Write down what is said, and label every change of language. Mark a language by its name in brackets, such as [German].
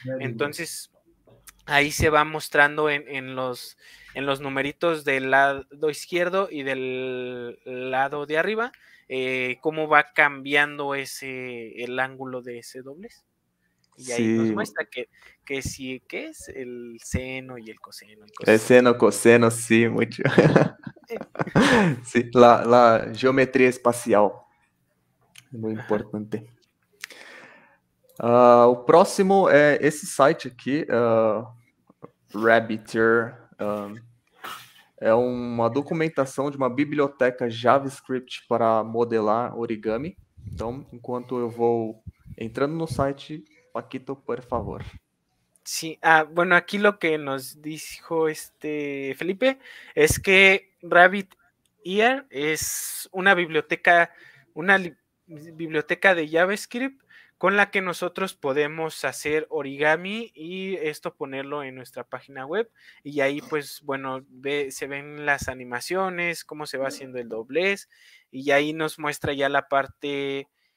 [Spanish] Entonces, ahí se va mostrando en los numeritos del lado izquierdo y del lado de arriba, cómo va cambiando el ángulo de ese doblez. Y ahí sí. Nos muestra que sí, que es el seno y el coseno. El seno, coseno, sí, mucho. Sí, la geometría espacial. [Portuguese] Muito importante. O próximo é esse site aqui, Rabbiter. É uma documentação de uma biblioteca JavaScript para modelar origami. Então, enquanto eu vou entrando no site, Paquito, por favor. Sim, [Spanish] bueno, aqui lo que nos dijo Felipe es que Rabbiter es una biblioteca, biblioteca de JavaScript con la que nosotros podemos hacer origami y esto ponerlo en nuestra página web y ahí pues bueno se ven las animaciones, cómo se va haciendo el doblez y ahí nos muestra ya la parte